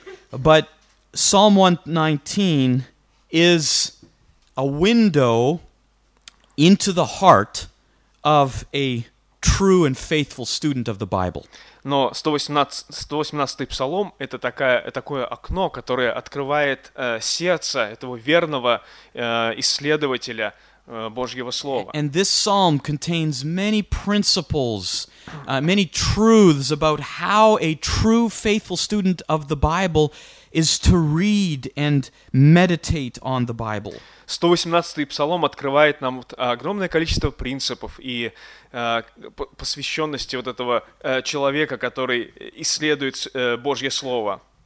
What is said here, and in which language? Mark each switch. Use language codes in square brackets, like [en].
[en] But Psalm 119 is a window into the heart of a true and faithful student of the Bible. [ru] Но 118-й псалом — это такое окно, которое открывает сердце этого верного исследователя Божьего Слова. [en] And this psalm contains many principles, many truths about how a true faithful student of the Bible is to read and meditate on the Bible. [ru] 118-й псалом открывает нам огромное количество принципов и посвященности вот этого человека, который исследует Божье Слово.